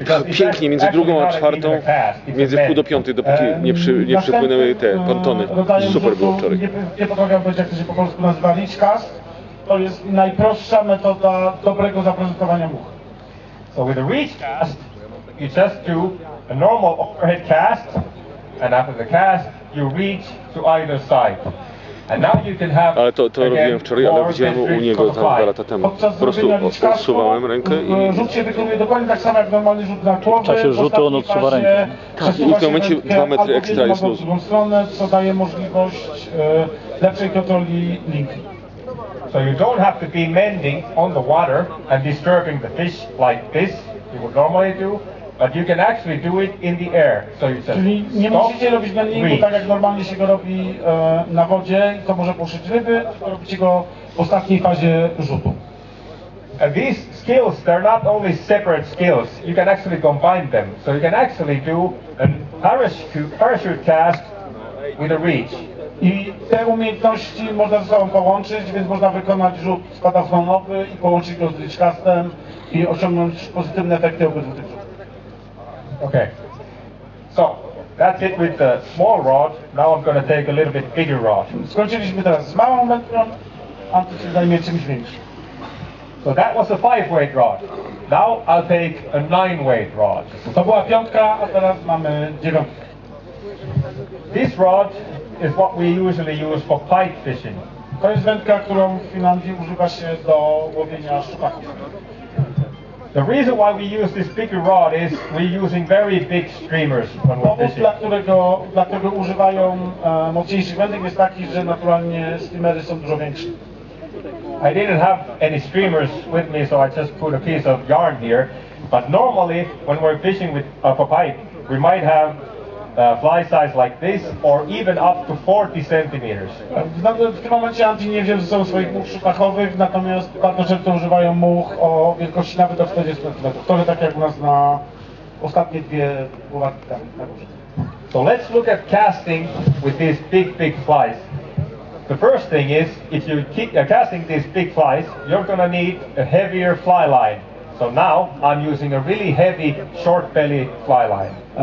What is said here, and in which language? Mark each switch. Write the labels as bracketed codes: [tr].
[pl] Tak, pięknie, między drugą a czwartą. Między pół do piątej, dopóki nie przypłynęły te pontony. Super było wczoraj. Nie potrafiłem powiedzieć, jak to się po polsku nazywa leech cast. To jest najprostsza metoda dobrego zaprezentowania much. [en] So with a leech cast, you just do a normal overhead cast, and after the cast, you reach to either side. And now you can have [pl] ale to robiłem wczoraj, ale widziałem u niego tam dwa lata temu. Po prostu odsuwałem rękę i rzut się wykonuje dokładnie tak samo jak normalny rzut na głowę. W czasie rzutu on odsuwa rękę. Tak, i w tym momencie rękę, 2 metry ekstra jest luz. W drugą stronę, co daje możliwość lepszej kontroli linki. [en] So you don't have to be mending on the water and disturbing the fish like this you would normally do. But you can actually do it in the air. So you [pl] czyli nie musicie robić na linku tak jak normalnie się go robi na wodzie, to może poszyć ryby, to robicie go w ostatniej fazie rzutu. [en] And these skills, they're not only separate skills, you can actually combine them. So you can actually do a parachute cast with a reach. [pl] I te umiejętności można ze sobą połączyć, więc można wykonać rzut spadochronowy i połączyć go z reach castem i osiągnąć pozytywne efekty obydwu tych rzutów. [en] Okay, so that's it with the small rod. Now I'm going to take a little bit bigger rod. [pl] Skończyliśmy teraz z małą metrą, a to się zajmie czymś większym. [en] So that was a 5-weight rod. Now I'll take a 9-weight rod. [pl] To była piątka, a teraz mamy dziewiątkę. [en] This rod is what we usually use for pike fishing. [pl] To jest wędka, którą w Finlandii używa się do łowienia szczupaków. [en] The reason why we use this bigger rod is we're using very big streamers when we're fishing. [pl] Dlatego używają mocniejszych wędek jest taki, że naturalnie streamery są dużo większe. [en] I didn't have any streamers with me, so I just put a piece of yarn here. But normally, when we're fishing with a pike, we might have fly size like this, or even up to 40 centimeters. [pl] W tym momencie Anti nie wziął ze sobą swoich much szupachowych, natomiast bardzo często używają much o wielkości nawet do 40 centymetrów. Trochę tak jak u nas na ostatnie dwie uwagi tam na górze. [en] So let's look at casting with these big flies. The first thing is, if you keep casting these big flies, you're gonna need a heavier fly line. So now I'm using a really heavy short belly fly line.